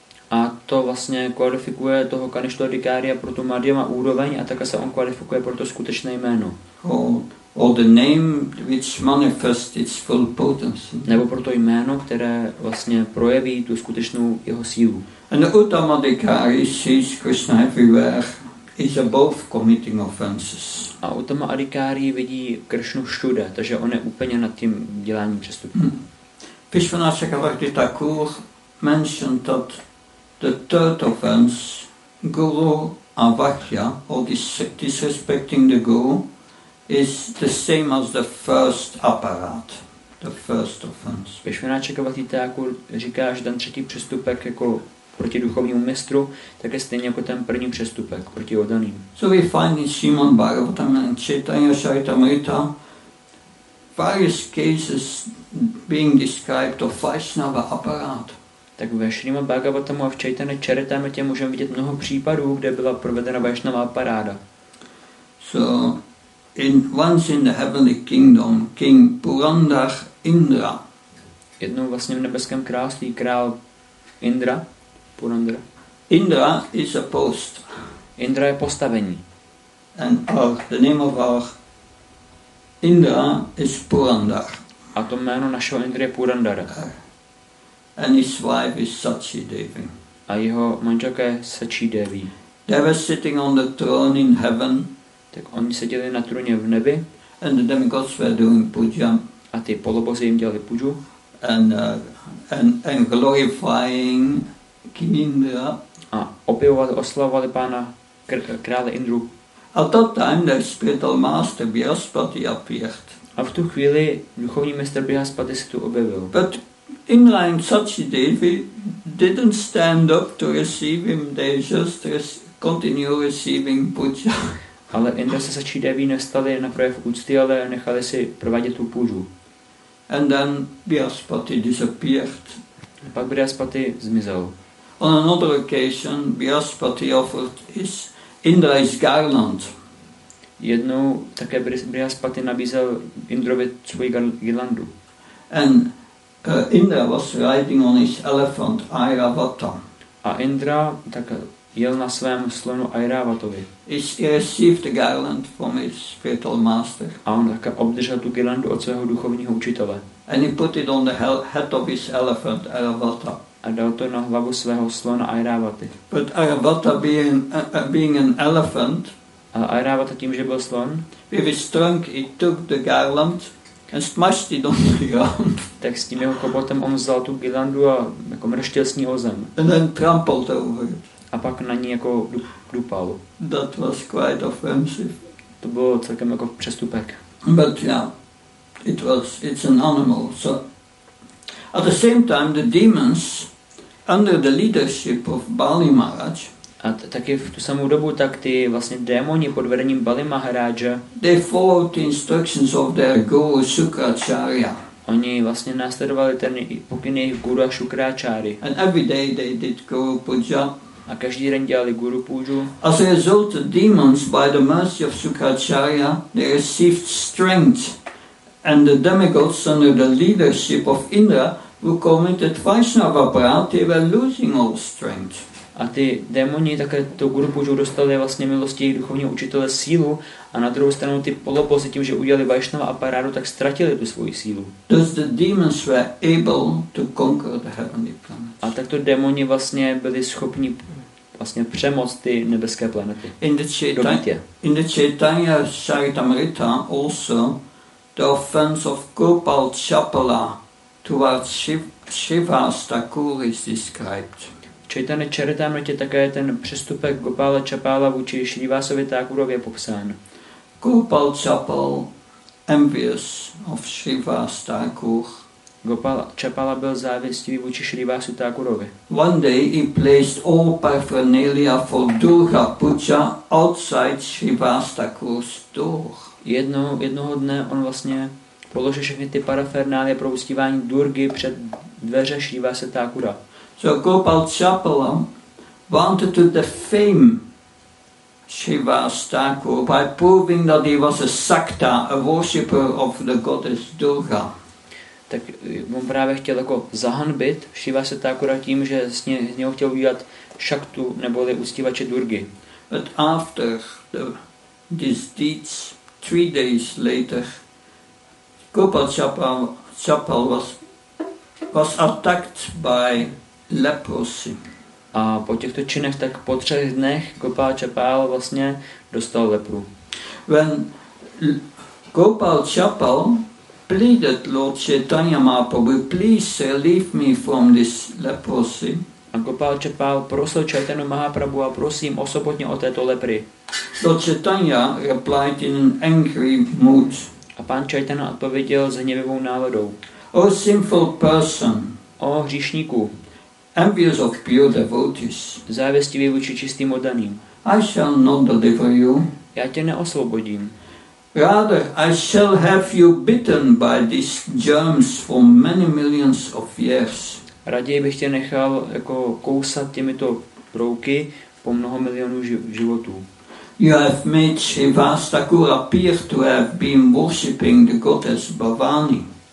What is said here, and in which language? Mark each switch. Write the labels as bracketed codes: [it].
[cs] A to vlastně kvalifikuje toho kanista adhikária pro tu Madhyama úroveň a také se on kvalifikuje pro to skutečné jméno. [en] Or the name which manifests its full potency. [cs] Nebo pro to jméno, které vlastně projeví tu skutečnou jeho sílu. [en] And the Uttama adhikári sees Krishna everywhere. Is above committing offenses. [cs] A Uttama Adhikari vidí Kršnu všude, takže on je úplně nad tím děláním přestupků. [en] Vishvanatha Chakravarti Thakur mentioned that the third offense, Guru Avakya, or disrespecting the Guru, is the same as the first apparat, the first offense. [cs] Vishvanatha Chakravarti Thakur říká, že ten třetí přestupek jako proti duchovnímu mistru, tak je stejně jako ten první přestupek proti oddaným. [en] So we find in Srimad Bhagavatam and Chaitanya Charitamrita various cases being described of Vaishnava apparat. [cs] Tak ve Srimad Bhagavatam a v Chaitanya Charitamritě můžeme vidět mnoho případů, kde byla provedena Vaishnava aparáda. [en] So in once in the heavenly kingdom king Purandar Indra. [cs] Jednou vlastně v nebeském království král Indra. [en] Indra is a post. [cs] Indra je postavení. [en] And the name of our Indra is Purandar. [cs] A to jméno našeho Indra je Purandar. [en] And his wife is Sachi Devi. [cs] A jeho manželka je Sachi Devi. [en] They were sitting on the throne in heaven. [cs] Tak oni seděli na trůně v nebi. [en] And the demigods were doing puja. [cs] A ty polobozy jim dělali puju. [en] And glorifying King Indra. [cs] A opěvovali, oslavovali pána krále Indru. [en] At that time their spiritual master Bihaspati appeared. [cs] A v tu chvíli duchovní mistr Bihaspati se tu objevil. [en] But Indra and Satchidevi didn't stand up to receive him. They just continue receiving puja. [cs] Ale Indra se Satchidevi nestali na projev úcty, ale nechali si provádět tu puju. [en] And then Bihaspati disappeared. [cs] A pak Bihaspati zmizel. [en] On another occasion, Bihaspati offered his Indra his garland. [cs] Jednou také Bihaspati nabízel Indrovi svůj girlandu. [en] And Indra was riding on his elephant Airavata. [cs] A Indra tak jel na svém slonu Airavatovi. [en] He received the garland from his spiritual master. [cs] A on také obdržel tu girlandu od svého duchovního učitele. [en] And he put it on the head of his elephant Airavata. [cs] A dal to na hlavu svého slona Airavaty. [en] But Airavata being an elephant, [cs] Airavata tím, že byl slon. [en] Very strong, he took the garland and smashed it on the ground. [cs] Tak s tím jeho kopotem on vzal tu girlandu a jako mrštěl s ní o zem. [en] And then trampled over it. [cs] A pak na ní jako dupal. [en] That was quite offensive. [cs] To bylo celkem jako přestupek. [en] But yeah, it's an animal. So at the same time, the demons under the leadership of Bali Maharaj. [cs] A taky v tu samou dobu tak ty vlastně démoni pod vedením Bali Maharaja. [en] They followed the instructions of their guru Shukracharya. [cs] Oni vlastně následovali ten pokyn jejich guru Shukracharya. [en] And every day they did guru puja. [cs] A každý den dělali guru puju. [en] As a result, the demons, by the mercy of Shukracharya, they received strength, and the demigods under the leadership of Indra, who committed Vaishnava prayer, they were losing all strength. [cs] A ty démoni také tu guru puju dostali vlastně milosti jejich duchovního učitele sílu a na druhou stranu ty polobozy tím, že udělali Vaishnava aparádu, tak ztratili tu svoji sílu. [en] Thus the demons were able to conquer the heavenly planets. [cs] A takto démoni vlastně byli schopni vlastně přemoct ty nebeské planety. [en] In the Chaitanya Charitamrita also the offense of Gopal Chapala towards Shiva Stakur is described. [cs] Chaitanya Charitamrita také ten přestupek Gopala Chapala vůči Shrivasovi Thakurovi je popsán. [en] Gopal Chapal, envious of Shrivas Thakur. [cs] Gopal Chapala byl závistivý vůči Shrivasu Thakurovi. [en] One day he placed all paraphernalia for Durga Puja outside Shrivas Thakur's door. [cs] Jednoho dne on vlastně položil všechny ty parafernálie pro uctívání Durgy před dveře Shrivasa Thakura. [en] So Gopal Chapala wanted to defame Shrivas Thakur by proving that he was a sakta, a worshipper of the goddess Durga. [cs] Tak on právě chtěl jako zahanbit Shrivas Thakura tím, že z něho chtěl udělat šaktu neboli uctívače Durgy. [en] But after these deeds, 3 days later, Gopal Chapala was attacked by leprosy. [cs] A po těchto činech tak po 3 dnech Gopal Chapala vlastně dostal lepru. [en] When Gopal Chapala pleaded Lord Chaitanya Mahaprabhu, please relieve me from this leprosy. [cs] A Gopal Chapala prosil Chaitanya Mahaprabhu a prosím osobotně o této lepry. [en] Lord Chaitanya replied in an angry mood. [cs] A pán Chaitanya odpověděl s hněvivou náladou. [en] O sinful person. [cs] O hříšníku. [en] Envious of pure devotees. [cs] Závěstivý vůči čistým oddaným. [en] I shall not deliver you. [cs] Já tě neosvobodím. [en] Rather, I shall have you bitten by these germs for many millions of years. [cs] Raději bych tě nechal jako kousat těmito brouky po mnoho milionů životů. [en] You have made Shrivas Thakur appear to have been worshipping the goddess Bhavani.